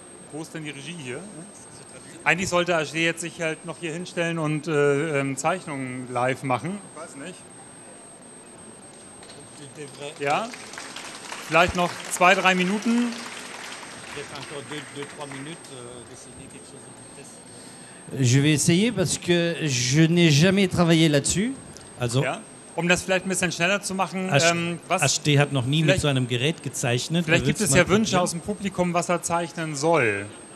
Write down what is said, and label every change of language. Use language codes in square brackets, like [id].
[de] Wo ist denn die Regie hier? Eigentlich sollte Aschte jetzt sich halt noch hier hinstellen und Zeichnungen live machen. Ich weiß nicht. Ja? Vielleicht noch 2-3 Minuten. [fr] Je vais essayer parce que je n'ai jamais travaillé là-dessus. [de] Also, ja. Um das vielleicht ein bisschen schneller zu machen. Aschte hat noch nie mit so einem Gerät gezeichnet. Vielleicht gibt es ja Wünsche aus dem Publikum, was er zeichnen soll.